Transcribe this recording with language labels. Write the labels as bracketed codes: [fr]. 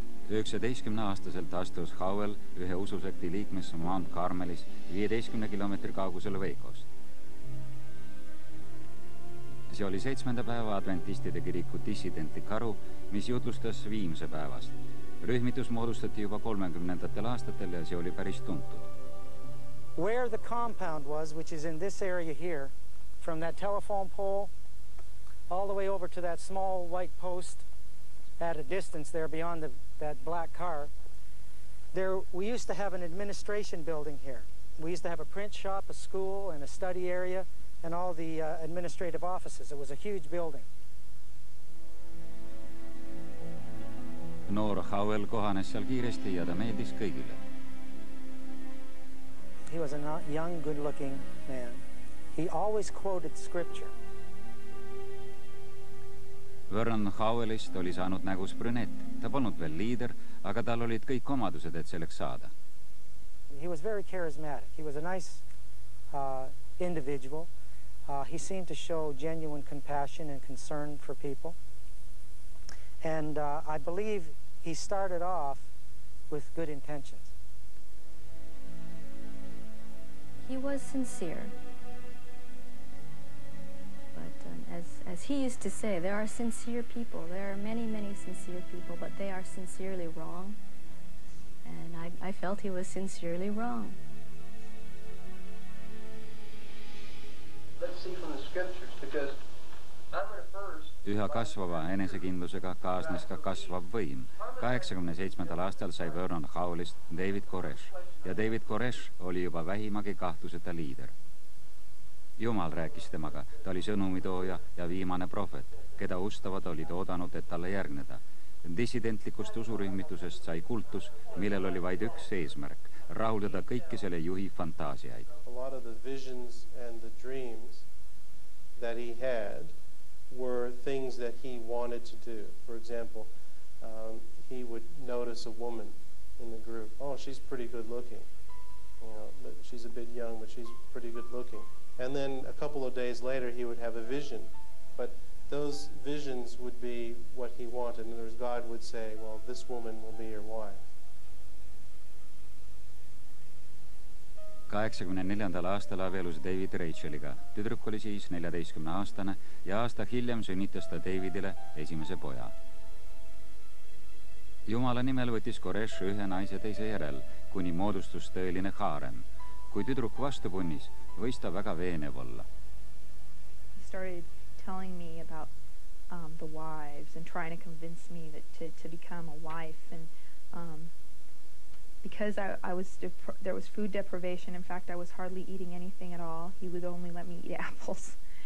[et] Üheksateistkümneaastaselt astus Howell ühe ususekti liikmesse Mount Carmelis 15 kilomeetri kaugusel Veikost. See oli 7. päeva adventistide kiriku dissidenti karu, mis jutlustas viimse päevast. Rühmitus moodustati juba 30. aastatel ja see oli päris tuntud. [en] Where the compound was, which is in this area here, from that telephone pole all the way over to that small white post at a distance there beyond that black car, there we used to have an administration building here. We used to have a print shop, a school, and a study area, and all the administrative offices. It was a huge building. [et] Noor Howell kohanes seal kiiresti ja ta meeldis kõigile. [en] He was a young, good-looking man. He always quoted scripture. [et] Vernon Howellist oli saanud nägus brünett. Ta polnud veel liider, aga tal olid kõik omadused, et selleks saada. [en] He was very charismatic. He was a nice individual. He seemed to show genuine compassion and concern for people. And I believe he started off with good intentions. He was sincere. As he used to say, there are sincere people. There are many, many sincere people, but they are sincerely wrong. And I felt he was sincerely wrong. Let's see from the scriptures, because I'm going to first... [et] Üha kasvava enesekindlusega kaasnes ka kasvav võim. 87. aastal sai Vernon Howellist David Koresh. Ja David Koresh oli juba vähimagi kahtluseta liider. Jumal rääkis temaga, ta oli sõnumitooja ja viimane profet, keda ustavad olid oodanud, et talle järgneda. Dissidentlikust usurühmitusest sai kultus, millel oli vaid üks eesmärk, rahuldada kõiki selle juhi fantaasiaid. [en] A lot of the visions and the dreams that he had were things things that he wanted to do. For example, he would notice a woman in the group. Oh, she's pretty good looking. You know, she's a bit young, but she's pretty good looking. And then a couple of days later, he would have a vision. But those visions would be what he wanted. In other words, God would say, well, this woman will be your wife. [et] 84. aastal abiellus David Racheliga. Tüdruk oli siis 14-aastane ja aasta hiljem sünnitas ta Davidile esimese poja. Jumala nimel võttis Koresh ühe naise teise järel, kuni moodustus tõeline haarem. Kui tüdruk vastu punnis, võis ta väga veenev olla. [en] He started telling me about the wives and trying to convince me that to become a wife. And because I was there was food deprivation. In fact, I was hardly eating anything at all. He would only let me eat apples.